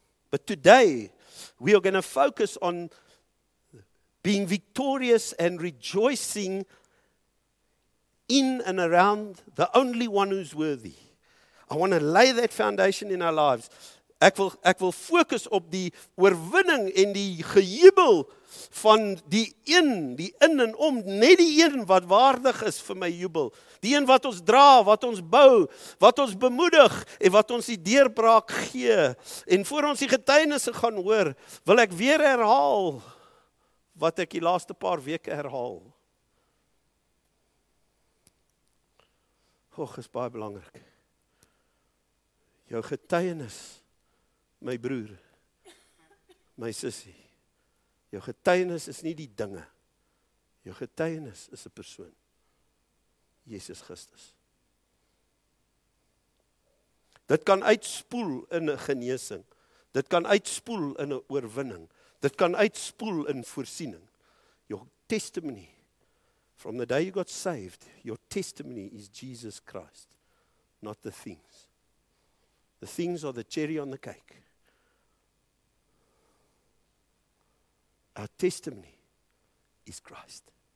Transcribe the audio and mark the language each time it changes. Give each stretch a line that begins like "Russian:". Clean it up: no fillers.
English: But today, we are going to focus on being victorious and rejoicing in and around the only one who's worthy. I want to lay that foundation in our lives.
Afrikaans: Ek wil focus op die oorwinning en die gejubel van die een, die in en om, net die een wat waardig is vir my jubel. Die een wat ons dra, wat ons bou, wat ons bemoedig en wat ons die deurbraak gee. En voor ons die getuienisse gaan hoor, wil ek weer herhaal wat ek die laaste paar weke herhaal. Och, is baie belangrik. Jou getuienis, my broer, my sussie, jou getuienis is nie die dinge. Jou getuienis is 'n persoon. Jesus Christus. Dit kan uitspoel in 'n genesing. Dit kan uitspoel in 'n oorwinning. Dit kan uitspoel in voorsiening.
English: Your testimony from the day you got saved, your testimony is Jesus Christ, not the things. The things are the cherry on the cake. Our testimony is Christ.